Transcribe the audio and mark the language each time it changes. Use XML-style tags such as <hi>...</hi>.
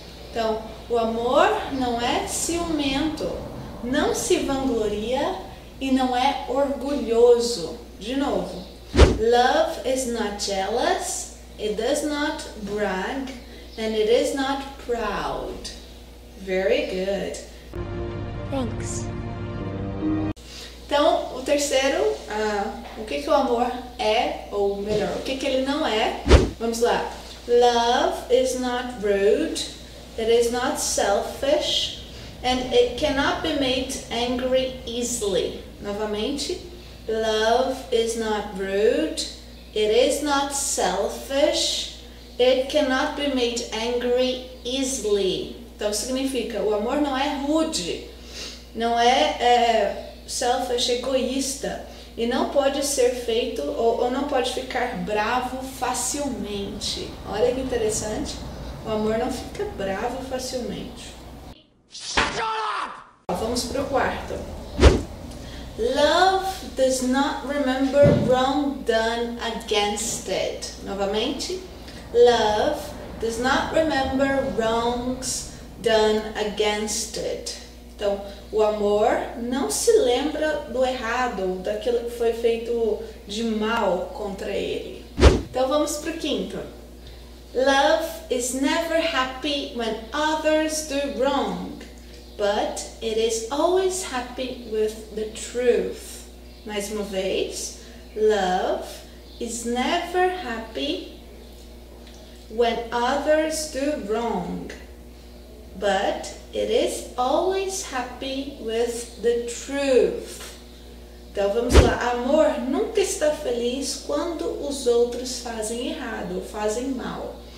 <pt>Então, o amor não é ciumento. Não se vangloria e não é orgulhoso. De novo.</pt> <en>Love is not jealous, it does not brag, and it is not proud. Very good. Thanks.</en> <pt>Então, o terceiro, o que que o amor é, ou melhor, o que que ele não é? Vamos lá.</pt> <en>Love is not rude, it is not selfish. And it cannot be made angry easily.</en> <pt>Novamente,</pt> <en>love is not rude, it is not selfish, it cannot be made angry easily.</en> <pt>Então significa, o amor não é rude, não é selfish, egoísta, e não pode ser feito ou não pode ficar bravo facilmente. Olha que interessante, o amor não fica bravo facilmente. Vamos para o quarto.</pt> <en>Love does not remember wrong done against it.</en> <pt>Novamente,</pt> <en>love does not remember wrongs done against it.</en> <pt>Então, o amor não se lembra do errado, daquilo que foi feito de mal contra ele. Então, vamos para o quinto.</pt> <en>Love is never happy when others do wrong. But it is always happy with the truth.</en> <pt>Mais uma vez,</pt> <en>love is never happy when others do wrong. But it is always happy with the truth.</en> <pt>Então vamos lá. Amor nunca está feliz quando os outros fazem errado, fazem mal.</pt>